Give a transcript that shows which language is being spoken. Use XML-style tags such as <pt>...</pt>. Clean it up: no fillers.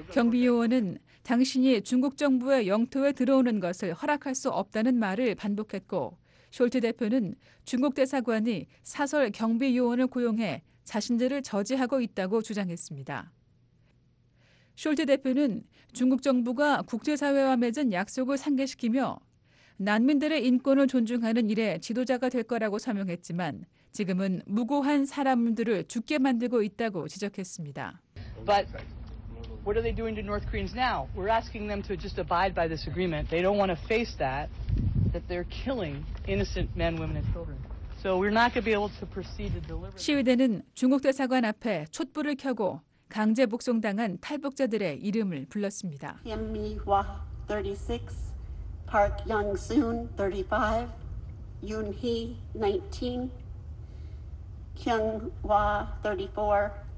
<ko>경비 요원은 당신이 중국 정부의 영토에 들어오는 것을 허락할 수 없다는 말을 반복했고 숄츠 대표는 중국 대사관이 사설 경비 요원을 고용해 자신들을 저지하고 있다고 주장했습니다. 숄츠 대표는 중국 정부가 국제사회와 맺은 약속을 상기시키며 난민들의 인권을 존중하는 일에 지도자가 될 거라고 서명했지만 지금은 무고한 사람들을 죽게 만들고 있다고 지적했습니다.</ko> <en>But what are they doing to North Koreans now? We're asking them to just abide by this agreement. They don't want to face that they're killing innocent men, women and children. So we're not going to be able to proceed to deliver.</en> <ko>시위대는 중국 대사관 앞에 촛불을 켜고 강제 북송당한 탈북자들의 이름을 불렀습니다.</ko> <en>Yim Mi Hwa, 36. Park Young Soon, 35. Yoon Hee, 19. Kyung Hwa, 34.</en>